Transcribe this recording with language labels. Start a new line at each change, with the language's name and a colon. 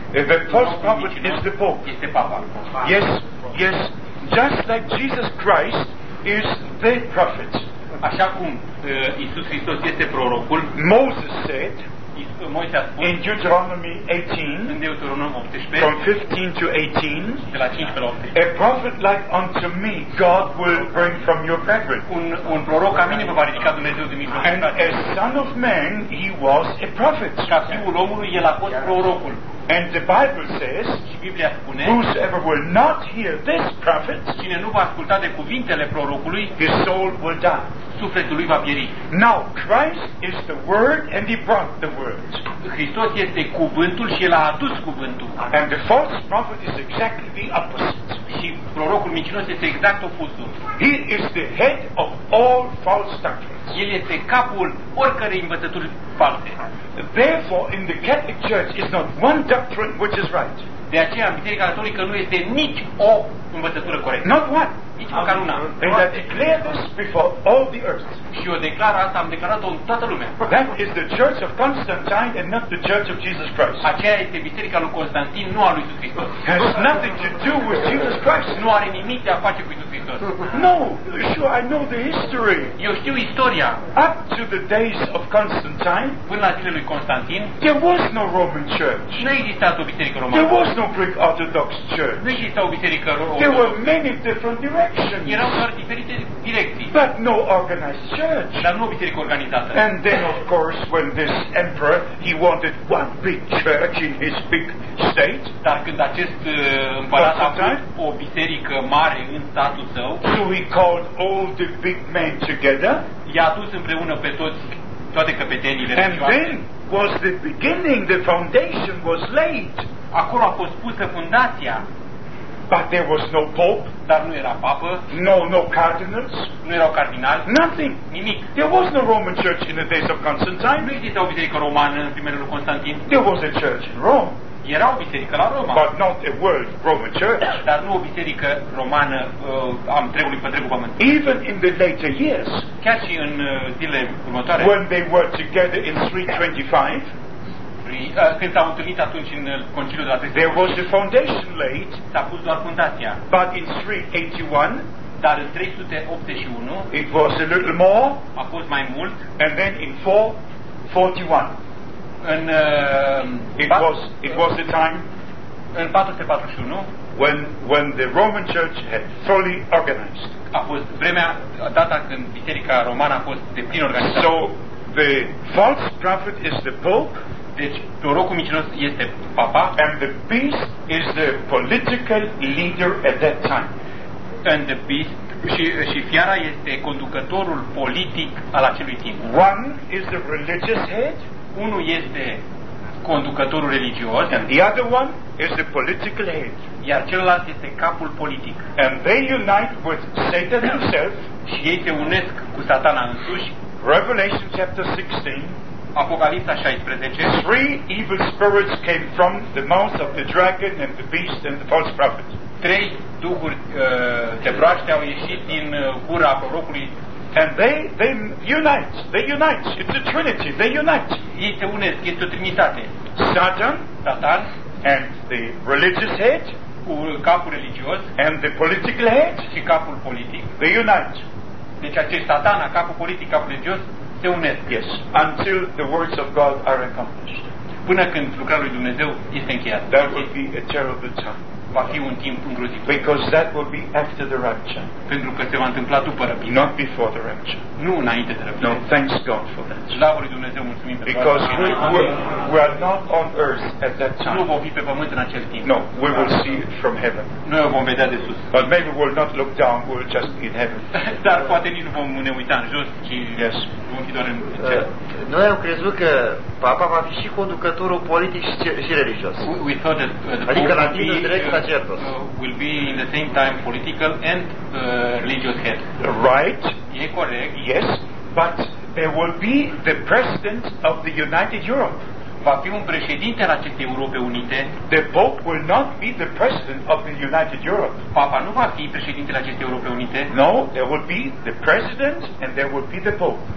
English: The false prophet is the Pope. Is the Papa. Yes. Just like Jesus Christ is the prophet.
Romanian: Așa cum Iisus Hristos este prorocul.
English: Moses said. In Deuteronomy 18, from 15 to 18,
Romanian: de la 15 la 18,
English: a prophet like unto me, God will bring from your brethren.
Romanian: Un proroc ca mine vă va ridica Dumnezeu din mijlocul.
English: And a son of man, he was a prophet.
Romanian: Ca fiul omului, el a fost prorocul.
English: And the Bible says,
Romanian: și Biblia spune,
English: whosoever will not hear this prophet,
Romanian: cine nu va asculta de cuvintele prorocului,
English: his soul will die.
Romanian: Sufletul lui va pieri.
English: Now Christ is the Word and he brought the Word.
Romanian: Hristos este cuvântul și el a adus cuvântul.
English: And the false prophet is exactly the opposite.
Romanian: Și prorocul mincinos este exact opusul.
English: He is the head of all false doctrines.
Romanian: El este capul oricărei învățături false.
English: Therefore in the Catholic Church is not one doctrine which is right.
Romanian: De aceea în Biserica Catolică nu este nici o învățătură corectă.
English: Not one. And I declare this before all the earth.
Romanian: Și eu declar asta, am declarat-o în toată lumea.
English: That is the Church of Constantine and not the Church of Jesus Christ.
Romanian: Aceea este Biserica lui Constantin, nu a lui Iisus Hristos.
English: Has nothing to do with Jesus Christ.
Romanian: Nu are nimic de a face cu Iisus Hristos.
English: No, sure, I know the history.
Romanian: Eu știu istoria.
English: Up to the days of Constantine,
Romanian: până la zilele lui Constantin,
English: there was no Roman Church.
Romanian: Nu exista o biserică romană.
English: There was no Greek Orthodox Church.
Romanian: Nu exista o biserică romană.
English: There were many different directions.
Romanian: Erau doar diferite direcții.
English: But no organized church.
Romanian: Dar nu o biserică organizată.
English: And then of course when this emperor he wanted one big church in his big state.
Romanian: Dar când acest împărat a vrut o biserică mare în statul său,
English: so he called all the big men together.
Romanian: I-a adus împreună pe toți, toate căpetenile.
English: And then was the beginning, the foundation was laid.
Romanian: Acolo a fost pusă fundația.
English: But there was no pope.
Romanian: Dar nu era papă.
English: No cardinals.
Romanian: Nu erau cardinali.
English: Nothing.
Romanian: Nimic.
English: There was no Roman church in the days of Constantine.
Romanian: Nu exista o biserică romană în primele lui Constantin.
English: There was a church in Rome.
Romanian: Era o biserică la Roma.
English: But not a world Roman church.
Romanian: Dar nu o biserică romană întregului pătregul pământ.
English: Even in the later years.
Romanian: Chiar și în zilele următoare.
English: When they were together in 325.
Romanian: Când s-au întâlnit atunci în conciliul de la 325.
English: There was a foundation laid.
Romanian: S-a pus doar fundația.
English: But in 381.
Romanian: Dar în 381.
English: It was a little more.
Romanian: A fost mai mult.
English: And then in 441.
Romanian: În
English: it was the time
Romanian: în 441
English: when the Roman church had fully organized.
Romanian: A fost vremea, data când biserica romană a fost deplin organizată.
English: So the false prophet is the pope.
Romanian: Deci prorocul mincinos este papa.
English: And the beast is the political leader at that time. And the beast
Romanian: și fiara este conducătorul politic al acelui timp.
English: One is the religious head.
Romanian: Unul este conducătorul religios,
English: and the other one is the political head.
Romanian: Iar celălalt este capul politic.
English: And they unite with Satan himself.
Romanian: Și ei se unesc cu Satana însuși.
English: Revelation chapter 16.
Romanian: Apocalipsa 16.
English: Three evil spirits came from the mouth of the dragon and the beast and the false prophet.
Romanian: Trei duhuri de broaște au ieșit din gura prorocului.
English: And they unite. It's a trinity. They unite.
Romanian: Ei se unesc. Este o trinitate.
English: Satan. And the religious head.
Romanian: Capul religios.
English: And the political head.
Romanian: Și capul politic.
English: They unite.
Romanian: Deci acest Satana, capul politic, capul religios, se unesc.
English: Yes. Until the words of God are accomplished.
Romanian: Până când lucrarea lui Dumnezeu este încheiată.
English: That will be a terrible time.
Romanian: Va fi un timp îngrozitor.
English: Because that will be after the rapture.
Romanian: Pentru că se va întâmpla după răpire.
English: Not before the rapture.
Romanian: Nu înainte de răpire.
English: No, thanks God for that.
Romanian: Slavă lui Dumnezeu, mulțumim pentru.
English: Because we are not on earth at that time.
Romanian: Nu vom fi pe pământ în acel timp.
English: No, we will see it from heaven.
Romanian: Noi o vom vedea de sus.
English: But maybe we will not look down, we will just be in heaven.
Romanian: Dar poate nici nu vom ne uita în jos, ci
English: yes.
Romanian: Vom fi doar în cer. Noi am crezut că papa va fi și conducătorul politic și religios.
English: We thought that
Romanian: adică la tine direct la
English: Will be in the same time political and religious head. Right.
Romanian: E corect.
English: Yes, but there will be the president of the United Europe.
Romanian: Va fi un președinte al acestei Europe Unite.
English: The Pope will not be the president of the United Europe.
Romanian: Papa nu va fi președintele acestei Europe Unite.
English: No, there will be the president and there will be the Pope.